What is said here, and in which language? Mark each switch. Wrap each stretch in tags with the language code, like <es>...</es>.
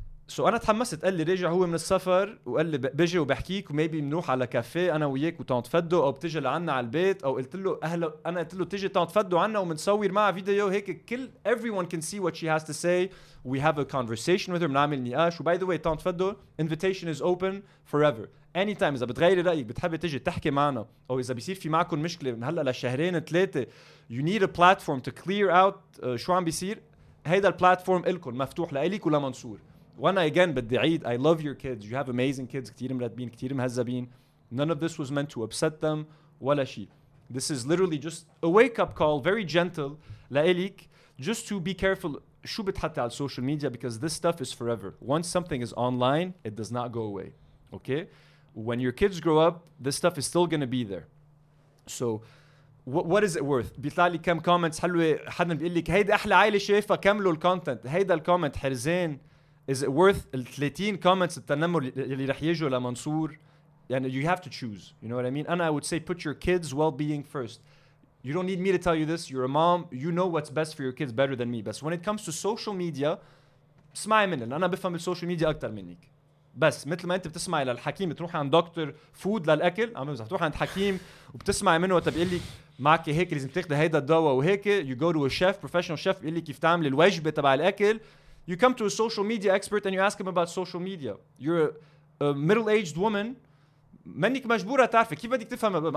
<ar>سو انا تحمست، قال لي رجع هو من السفر وقال لي بيجي وبحكيك وميبي بنروح على كافيه انا وياك وتعند فدو او بتجي لعنا على البيت، او قلت له اهلا، انا قلت له تجي تعند فدو عنا ومنصور معه فيديو هيك كل</ar> <en>everyone can see what she has to say, we have a conversation with her,</en> <ar>بنعمل نقاش.</ar> <en>وباي the way تعند فدو invitation is open forever anytime.</en> <ar>اذا بتغيري رايك بتحبي تجي تحكي معنا او اذا بيصير في معكم مشكله من هلا لشهرين ثلاثه</ar> <en>you need a platform to clear out</en> <ar>شو عم بيصير، هيدا البلاتفورم الكم مفتوح لإليك ولمنصور.</ar> <en>وانا again بدي عيد I love your kids, you have amazing kids,</en> <ar>كتير مرتبين كتير مهذبين,</ar> <en>none of this was meant to upset them</en> <ar>ولا شيء,</ar> <en>this is literally just a wake up call, very gentle لإليك, just to be careful</en> <ar>شو بتحطي على</ar> <en>social media because this stuff is forever, once something is online it does not go away, okay, when your kids grow up this stuff is still gonna be there, so what is it worth.</en> <ar>بيطلع لي كم comments حلوة, حدا بيقول لك هيدا أحلى عائلة شايفة كملوا الكونتنت, هيدا الكومنت حرزين.</ar> <en>Is it worth 30 comments</en> <ar>التنمر اللي رح يجوا لمنصور؟ يعني</ar> <en>you have to choose, you know what I mean. And I would say put your kids' well-being first. You don't need me to tell you this, you're a mom, you know what's best for your kids better than me.</en> <ar>بس</ar> <en>when it comes to social media</en> <ar>اسمعي مني لأن أنا بفهم السوشيال ميديا أكتر منك. بس مثل ما أنت بتسمعي للحكيم تروح عند دكتور فود للأكل, عم بس تروح عند حكيم وبتسمعي منه وتبقى لي معك هيك لازم تاخد هيدا الدواء وهيك,</ar> <en>you go to a chef, professional chef,</en> <ar>يقول لي كيف تعمل الوجبة تبع الأكل.</ar> <en>You come to a social media expert and you ask him about social media. You're a middle-aged woman.</en> <ar>منك مجبورة تعرفي كيف بدك تفهم.</ar>